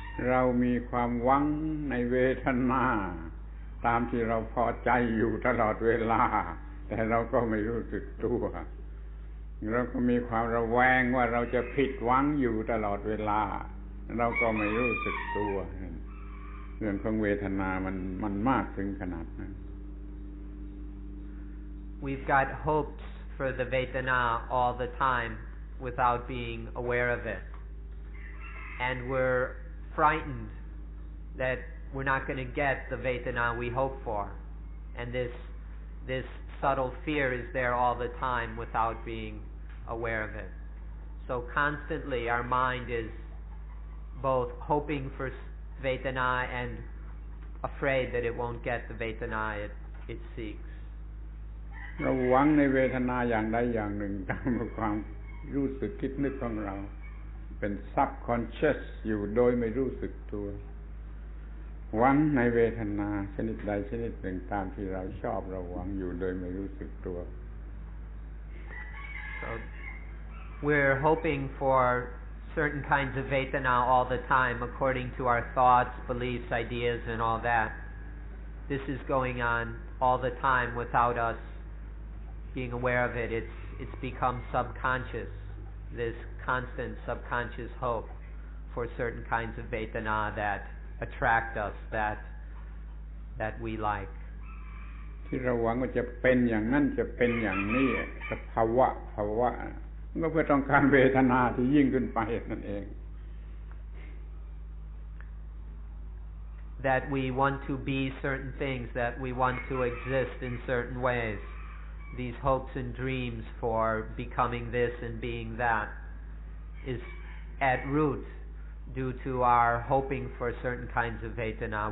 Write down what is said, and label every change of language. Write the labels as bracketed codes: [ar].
[th] เรามีความหวังในเวทนาตามที่เราพอใจอยู่ตลอดเวลาแต่เราก็ไม่รู้สึกตัวเราก็มีความระแวงว่าเราจะผิดหวังอยู่ตลอดเวลาเราก็ไม่รู้สึกตัวเรื่องของเวทนามันมากถึงขนาดนั้น [en] We've got hopes for the Vedana all the time without being aware of it and we're frightened thatWe're not going to get the vetana we hope for, and this subtle fear is there all the time without being aware of it. So constantly, our mind is both hoping for vedana and afraid that it won't get the vedana it seeks. [th] เราหวังในเวทนาอย่างใดอย่างหนึ่งตามความรู้สึกคิดนึกของเราเป็น subconscious อยู่โดยไม่รู้สึกตัวหวังในเวทนาชนิดใดชนิดหนึ่งตามที่เราชอบเราหวังอยู่โดยไม่รู้สึกตัว [en] So we're hoping for certain kinds of vedana all the time according to our thoughts, beliefs, ideas and all that. This is going on all the time without us being aware of it. It's become subconscious, this constant subconscious hope for certain kinds of vedana that attract us, that we like. [th] ที่เราหวังว่าจะเป็นอย่างนั้นจะเป็นอย่างนี้สภาวะภาวะก็เพื่อต้องการเวทนาที่ยิ่งขึ้นไปนั่นเอง [en] That we want to be certain things, that we want to exist in certain ways. These hopes and dreams for becoming this and being that is at root due to our hoping for certain kinds of vedana.